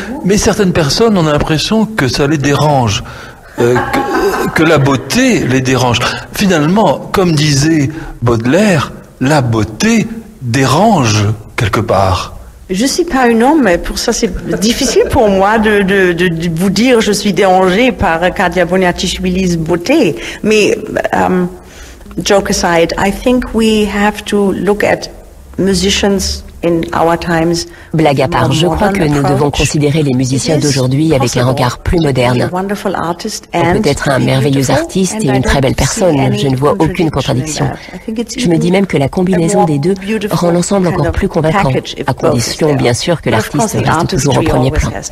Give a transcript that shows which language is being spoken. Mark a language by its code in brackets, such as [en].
[fr] Mais certaines personnes ont l'impression que ça les dérange, que la beauté les dérange. Finalement, comme disait Baudelaire, la beauté dérange quelque part. Je suis pas un homme, mais pour ça c'est difficile pour moi de vous dire je suis dérangée par Katia Bouniatichvili's beauté. [en] Mais joke aside, I think we have to look at musicians in our times. [fr] Blague à part, je crois que nous devons considérer les musiciens d'aujourd'hui avec un regard plus moderne. On peut être un merveilleux artiste et une très belle personne. Je ne vois aucune contradiction. Je me dis même que la combinaison des deux rend l'ensemble encore plus convaincant, à condition, bien sûr, que l'artiste reste toujours au premier plan.